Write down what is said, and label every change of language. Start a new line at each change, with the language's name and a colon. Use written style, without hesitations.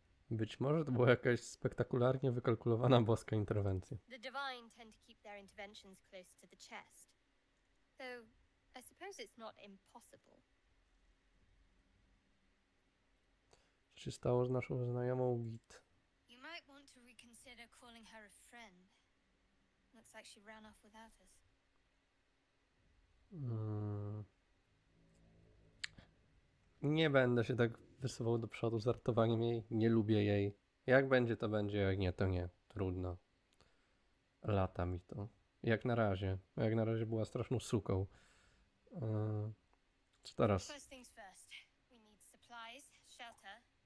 Polish: Być może to była jakaś spektakularnie wykalkulowana boska interwencja.
English: The divine tend to keep their interventions close to the chest. Though, I suppose it's not impossible.
Polish: Co się stało z naszą znajomą Git?
English: You might want to reconsider calling her a friend. Looks like she ran off without us.
Polish: Nie będę się tak wysuwał do przodu z żartowaniem jej. Nie lubię jej. Jak będzie, to będzie. Jak nie, to nie. Trudno. Lata mi to. Jak na razie. Jak na razie była straszną suką. Co teraz?
English: First things first. We need supplies, shelter.